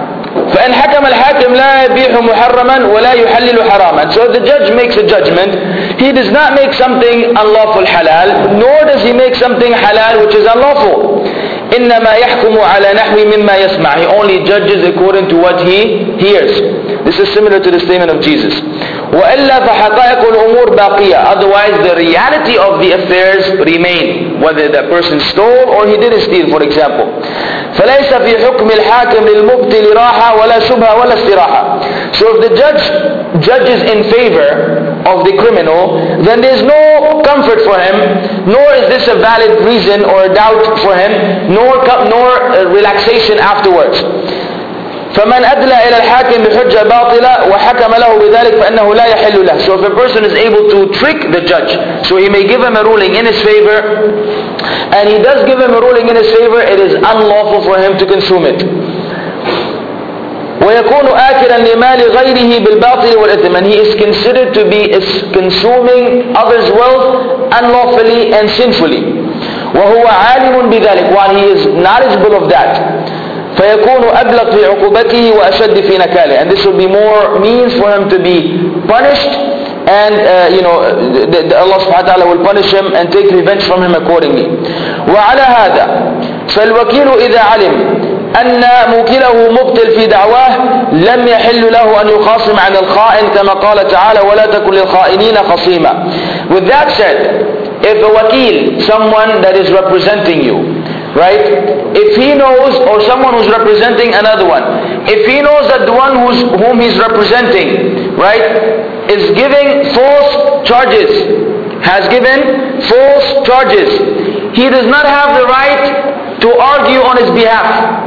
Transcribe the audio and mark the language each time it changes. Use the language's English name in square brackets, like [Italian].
[Arabic] فإن حكم الحاكم لا يبيح محرما ولا يحلل حراما. [English] So the judge makes a judgment. He does not make something unlawful halal, nor does he make something halal which is unlawful. [Arabic] إنما يحكم على نحو مما يسمع. [English] He only judges according to what he hears. This is similar to the statement of Jesus. [Arabic] وإلا فحقائق الأمور باقية. [English] Otherwise, the reality of the affairs remain, whether the person stole or he didn't steal, for example. [Arabic] فليس في حكم الحاكم للمبطل راحة ولا شبهة ولا استراحة. [English] So if the judge judges in favor of the criminal, then there is no comfort for him, nor is this a valid reason or a doubt for him, nor relaxation afterwards. [Arabic] فمن أدلى إلى الحاكم بحجة باطلة وحكم له بذلك فإنه لا يحل له. [English] So if a person is able to trick the judge, so he may give him a ruling in his favor, and he does give him a ruling in his favor, it is unlawful for him to consume it. [Arabic] ويكون آكلا لمال غيره بالباطل والإثم. [English] And he is considered to be consuming others' wealth unlawfully and sinfully. [Arabic] وهو عالم بذلك, [English] while he is knowledgeable of that. [Arabic] فيكون أبلغ في عقوبته وأشد في نكاله. [English] And this will be more means for him to be punished, and Allah subhanahu wa ta'ala will punish him and take revenge from him accordingly. [Arabic] وعلى هذا فالوكيل إذا علم أن موكله مبطل في دعواه لم يحل له أن يخاصم عن الخائن كما قال تعالى ولا تكن للخائنين خصيما. [English] With that said, if a wakil, someone that is representing you, right, if he knows, or someone who's representing another one, if he knows that the one whom he's representing, right, is giving false charges, has given false charges, he does not have the right to argue on his behalf.